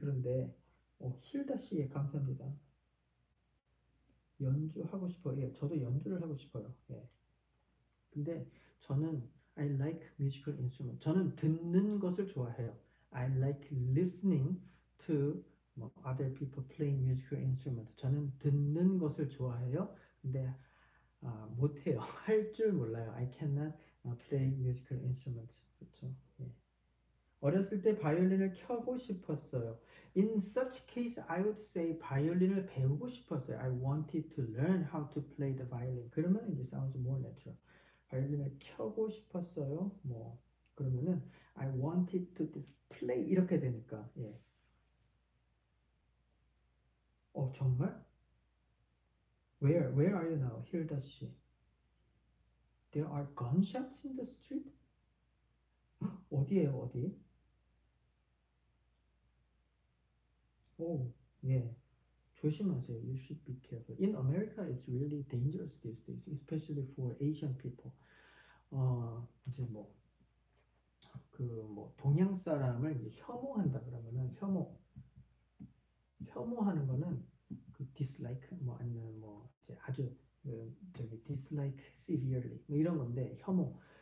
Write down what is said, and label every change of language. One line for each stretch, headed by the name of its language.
Korean: 그런데 힐다 씨 감사합니다. 연주하고 싶어요. 예, 저도 연주를 하고 싶어요.
English: 예.
Korean: 근데 저는
English: I like musical instrument.
Korean: 저는 듣는 것을 좋아해요.
English: I like listening to other people playing musical instrument.
Korean: 저는 듣는 것을 좋아해요. 근데 못해요. 할 줄 몰라요.
English: I cannot play musical instruments.
Korean: 그렇죠? 예. 어렸을 때 바이올린을 켜고 싶었어요.
English: In such case, I would say
Korean: 바이올린을 배우고 싶었어요.
English: I wanted to learn how to play the violin.
Korean: 그러면 이제
English: sounds more natural.
Korean: 바이올린을 켜고 싶었어요. 뭐 그러면은
English: I wanted to play
Korean: 이렇게 되니까. 예.
English: 정말? Where are you now? Here does she. There are gunshots in the street?
Korean: 어디예요, 어디?
English: 오, 예.
Korean: 조심하세요.
English: You should be careful. In America, it's really dangerous these days, especially for Asian people.
Korean: 이제 뭐, 그 뭐 동양 사람을 이제 혐오한다 그러면은 혐오. 혐오하는 거는 그 dislike 뭐 아니면 뭐 이제 아주 그 저기
English: dislike severely
Korean: 뭐 이런 건데 혐오.